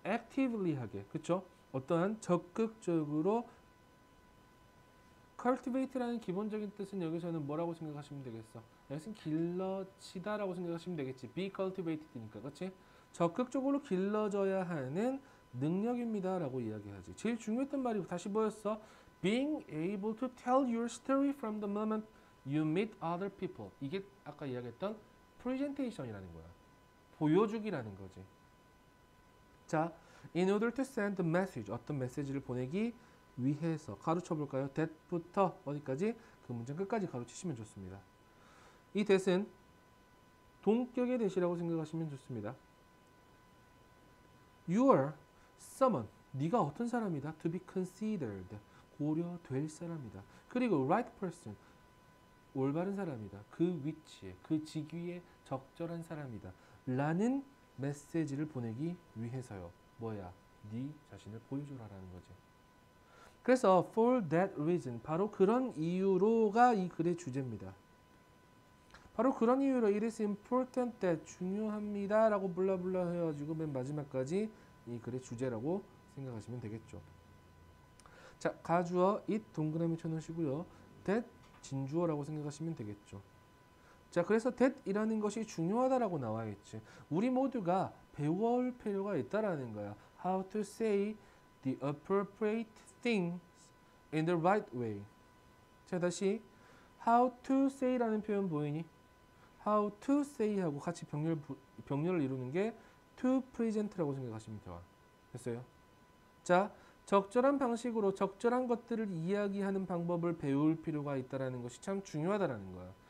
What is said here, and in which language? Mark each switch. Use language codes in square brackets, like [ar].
[ko] actively 하게, 그쵸? 어떠한 적극적으로 cultivate라는 기본적인 뜻은 여기서는 뭐라고 생각하시면 되겠어? 여기서는 길러지다라고 생각하시면 되겠지. [en] Be cultivated [ko] 이니까, 그치? 적극적으로 길러져야 하는 능력입니다 라고 이야기하지. 제일 중요했던 말이 다시 뭐였어? [en] Being able to tell your story from the moment you meet other people. [ko] 이게 아까 이야기했던 presentation이라는 거야. 보여주기라는 거지. [en] 자, in order to send a message, [ko] 어떤 메시지를 보내기 위해서 가르쳐볼까요? That부터 어디까지? 그 문장 끝까지 가르치시면 좋습니다. 이 that은 동격의 that이라고 생각하시면 좋습니다. [en] You are someone, [ko] 네가 어떤 사람이다? [en] To be considered, [ko] 고려될 사람이다. 그리고 [en] right person, [ko] 올바른 사람이다. 그 위치에, 그 직위에 적절한 사람이다. 라는 메시지를 보내기 위해서요. 뭐야? 네 자신을 보여주라라는 거지. 그래서 [en] for that reason, [ko] 바로 그런 이유로가 이 글의 주제입니다. 바로 그런 이유로 [en] it is important that, [ko] 중요합니다 라고 블라블라 해가지고 맨 마지막까지 이 글의 주제라고 생각하시면 되겠죠. 자, 가주어 it 동그라미 쳐놓으시고요. that 진주어라고 생각하시면 되겠죠. 자, 그래서 that 이라는 것이 중요하다라고 나와있지. 우리 모두가 배워올 필요가 있다라는 거야. [en] How to say the appropriate things in the right way. [ko] 자, 다시 [en] how to say [ko] 라는 표현 보이니? [en] How to say [ko] 하고 같이 병렬을 이루는 게 [en] to present [ko] 라고 생각하시면 돼요. 됐어요? 자, 적절한 방식으로 적절한 것들을 이야기하는 방법을 배울 필요가 있다는 것이 참 중요하다는 거야.